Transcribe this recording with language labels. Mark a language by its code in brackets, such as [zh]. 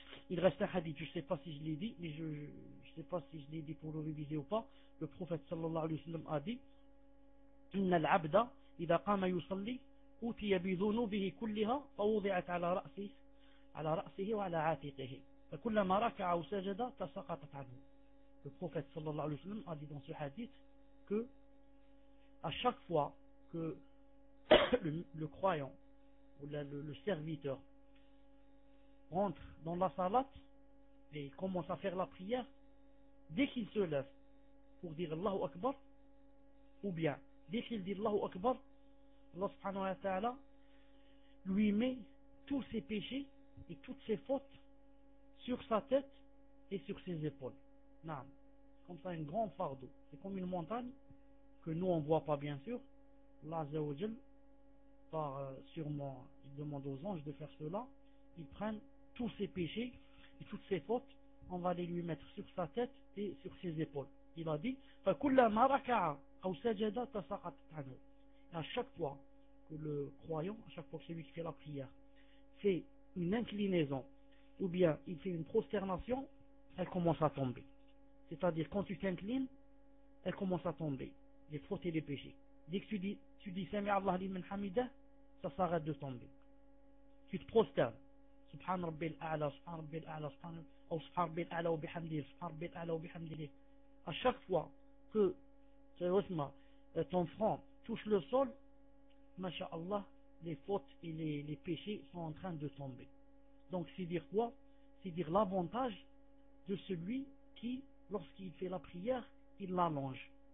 [fr] Il reste un hadith, je ne sais pas si je l'ai dit, mais je ne sais pas si je l'ai dit pour le réviser ou pas. Le prophète sallallahu alayhi wa sallam a dit [ar] إن العبد إذا قام يصلي أوتي بذنوبه كلها فوضعت على رأسه وعلى عاتقه فكلما ركع أو سجد تسقطت عنه. [fr] Le prophète sallallahu alayhi wa sallam a dit dans ce hadith que à chaque fois que le croyant ou le serviteur rentre dans la salat et commence à faire la prière, dès qu'il se lève pour dire Allahu Akbar, ou bien dès qu'il dit Allahu Akbar, Allah subhanahu wa ta'ala lui met tous ses péchés et toutes ses fautes sur sa tête et sur ses épaules. Naam. Comme ça, un grand fardeau. C'est comme une montagne que nous on voit pas, bien sûr. Allah Azza wa Jal, par sûrement, il demande aux anges de faire cela. Ils prennent tous ses péchés et toutes ses fautes, on va les lui mettre sur sa tête et sur ses épaules. Il a dit, [ar] فَكُلَّمَا رَكَعَ أَوْ سَجَدَ تَسَقَطَتْ عَنْهُ. [fr] Et à chaque fois que le croyant, à chaque fois que celui qui fait la prière, fait une inclinaison, ou bien il fait une prosternation, elle commence à tomber. C'est-à-dire, quand tu t'inclines, elle commence à tomber, les fautes et les péchés. Dès que tu dis, [ar] سَمِعَ اللَّهِ لِمَنْ حَمِدَهُ, [fr] ça s'arrête de tomber. Tu te prosternes. [ar] سبحان ربي الأعلى سبحان ربي الأعلى سبحان أو سبحان ربي الأعلى وبحمده سبحان ربي الأعلى وبحمده. [fr] À chaque fois que ton front touche le sol, masha'Allah, les fautes et les péchés sont en train de tomber. Donc c'est dire quoi? C'est dire l'avantage de celui qui, lorsqu'il fait la prière, il l'allonge.